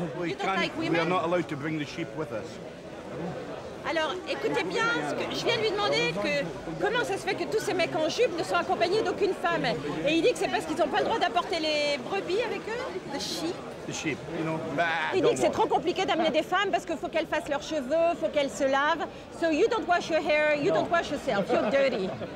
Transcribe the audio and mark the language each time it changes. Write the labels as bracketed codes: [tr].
[en] We are not allowed to bring the sheep with us. [fr] Alors, écoutez bien, je viens de lui demander que comment ça se fait que tous ces mecs en jupe ne sont accompagnés d'aucune femme. Et il dit que c'est parce qu'ils n'ont pas le droit d'apporter les brebis avec eux, [en] the sheep. The sheep, you know. [fr] Il dit que c'est trop compliqué d'amener des femmes parce qu'il faut qu'elles fassent leurs cheveux, il faut qu'elles se lavent. [en] So you don't wash your hair, you don't wash yourself, you're dirty.